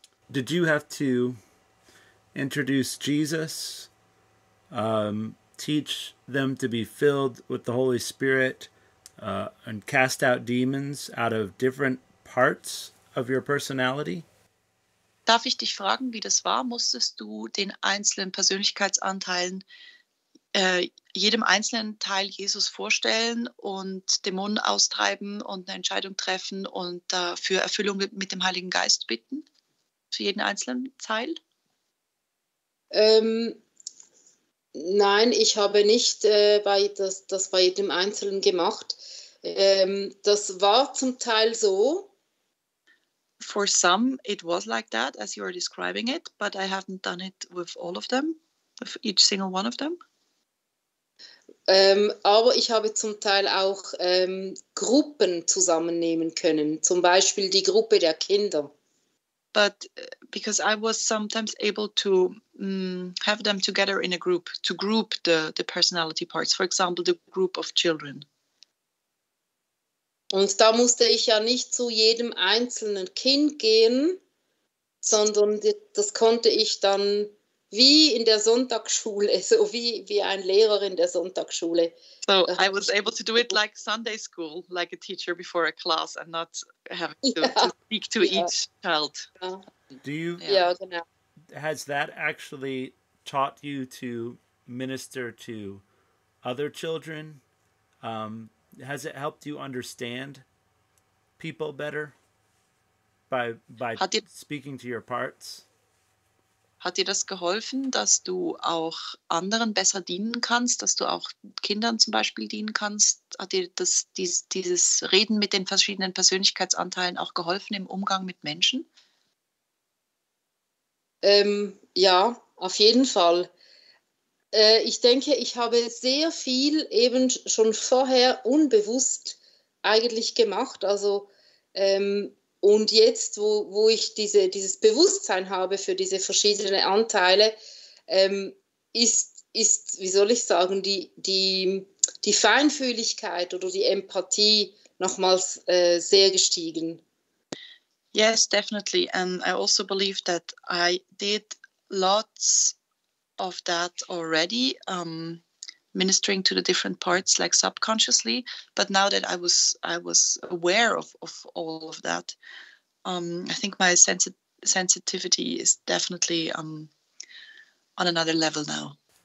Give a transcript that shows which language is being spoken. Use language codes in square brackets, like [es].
[en] Did you have to introduce Jesus, teach them to be filled with the Holy Spirit, and cast out demons out of different parts of your personality? [de] Darf ich dich fragen, wie das war? Musstest du den einzelnen Persönlichkeitsanteilen, jedem einzelnen Teil Jesus vorstellen und Dämonen austreiben und eine Entscheidung treffen und dafür Erfüllung mit dem Heiligen Geist bitten? Für jeden einzelnen Teil? Nein, ich habe nicht das bei jedem Einzelnen gemacht. Das war zum Teil so. [en] For some, it was like that, as you are describing it, but I haven't done it with all of them, with each single one of them. [de] Aber ich habe zum Teil auch Gruppen zusammennehmen können, zum Beispiel die Gruppe der Kinder. [en] But because I was sometimes able to have them together in a group, to group the personality parts, for example, the group of children. [de] Und da musste ich ja nicht zu jedem einzelnen Kind gehen, sondern das konnte ich dann wie in der Sonntagsschule, so wie ein Lehrer in der Sonntagsschule. [en] So I was able to do it like Sunday school, like a teacher before a class and not having to, to speak to each child. Do you, [de] genau. [en] Has that actually taught you to minister to other children? Has it helped you understand people better by speaking to your parts? [de] Hat dir das geholfen, dass du auch anderen besser dienen kannst, dass du auch Kindern zum Beispiel dienen kannst? Hat dir dieses Reden mit den verschiedenen Persönlichkeitsanteilen auch geholfen im Umgang mit Menschen? Ja, auf jeden Fall. Ich denke, ich habe sehr viel eben schon vorher unbewusst eigentlich gemacht. Also und jetzt, wo ich dieses Bewusstsein habe für diese verschiedenen Anteile, ist, wie soll ich sagen, die Feinfühligkeit oder die Empathie nochmals sehr gestiegen. [en] Yes, definitely. And I also believe that I did lots of that already, ministering to the different parts, like subconsciously. But now that I was aware of all of that, I think my sensitivity is definitely on another level now.